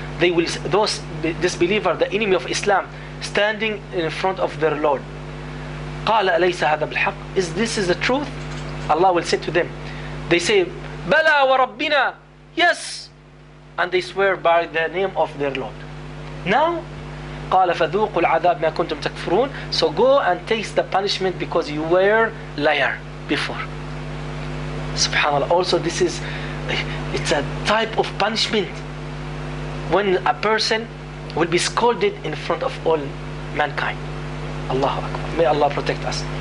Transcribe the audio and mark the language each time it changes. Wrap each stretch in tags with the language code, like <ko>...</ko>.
<en>they will, those disbeliever, the enemy of Islam, standing in front of their Lord.</en> <ar>قال أليس هذا بالحق?</ar> <en>Is this is the truth? Allah will say to them. They say,</en> <ar>بلى وربنا.</ar> <en>Yes. And they swear by the name of their Lord.</en> <ar>Now, قال فذوقوا العذاب ما كنتم تكفرون.</ar> <en>So go and taste the punishment because you were liar before. Subhanallah. Also, this is, it's a type of punishment. When a person will be scolded in front of all mankind. Allahu Akbar. May Allah protect us.</en>